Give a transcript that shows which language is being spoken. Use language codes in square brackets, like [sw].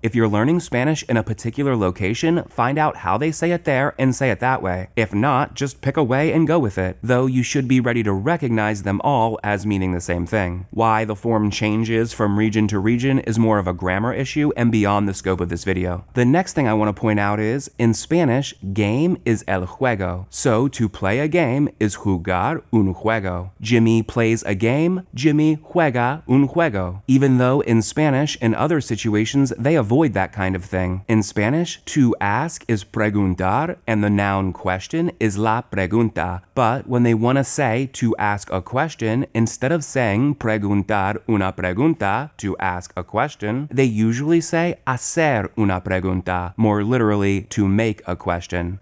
[en] If you're learning Spanish in a particular location, find out how they say it there and say it that way. If not, just pick a way and go with it, though you should be ready to recognize them all as meaning the same thing. Why the form changes from region to region is more of a grammar issue and beyond the scope of this video. The next thing I want to point out is, in Spanish, game is [es] el juego. [en] So to play a game is [es] jugar un juego. [en] Jimmy plays a game, [es] Jimmy juega un juego. [en] Even though in Spanish, in other situations, they avoid that kind of thing. In Spanish, to ask is preguntar, and the noun question is la pregunta. But when they want to say to ask a question, instead of saying [es] preguntar una pregunta, [en] to ask a question, they usually say [es] hacer una pregunta, [en] more literally, to make a question.